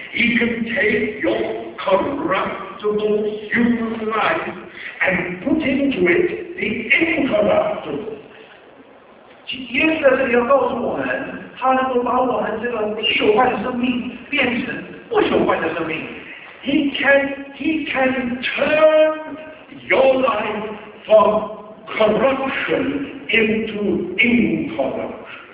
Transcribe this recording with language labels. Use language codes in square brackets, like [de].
[en] He can take your corruptible human life and put into it the incorruptible. [zh] 耶稣在这里要告诉我们, 他能够把我们这个不朽坏的生命变成不朽坏的生命. [en] He can turn your life from corruption into incorruption.